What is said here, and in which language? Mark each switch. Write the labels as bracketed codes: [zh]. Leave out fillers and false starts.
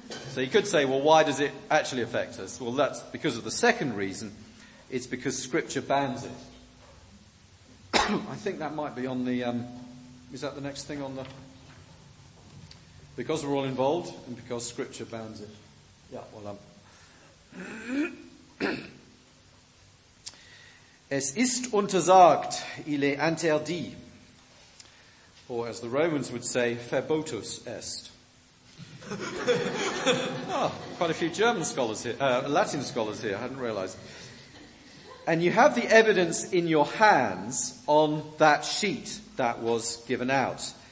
[en] So you could say, well, why does it actually affect us? Well, that's because of the second reason. It's because Scripture bans it. I think that might be on the... is that the next thing on the... Because we're all involved and because Scripture bans it. Yeah, well, [de] Es ist untersagt, [fr] il est interdit. [en] Or, as the Romans would say, [la] verbotus est. [en] quite a few German scholars here, Latin scholars here, I hadn't realized. And you have the evidence in your hands on that sheet that was given out.